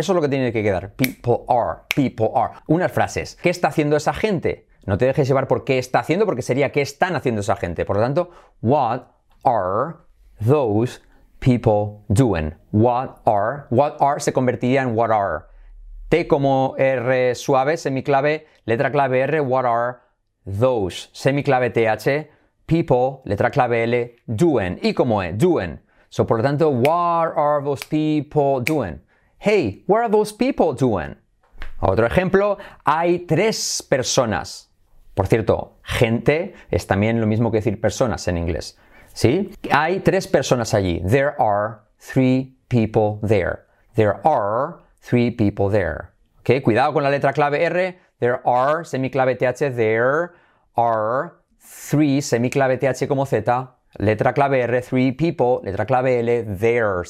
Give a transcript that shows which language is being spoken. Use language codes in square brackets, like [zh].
[es] Eso es lo que tiene que quedar. [en] People are. People are. [es] Unas frases. ¿Qué está haciendo esa gente? No te dejes llevar por qué está haciendo, porque sería qué están haciendo esa gente. Por lo tanto, [en] what are those people doing? [es] What are se convertiría en what are. T como R suave, semiclave, letra clave R, what are those, semiclave TH, people, letra clave L, doing. Y como E, doing. [en] So, [es] por lo tanto, [en] what are those people doing? Hey, what are those people doing? [es] Otro ejemplo, hay tres personas. Por cierto, gente es también lo mismo que decir personas en inglés. ¿Sí? Hay tres personas allí. [en] There are three people there. There are three people there. [es] ¿Okay? Cuidado con la letra clave R. [en] There are, [es] semiclave TH. There are three, semiclave TH como Z. Letra clave R, three people. Letra clave L, there.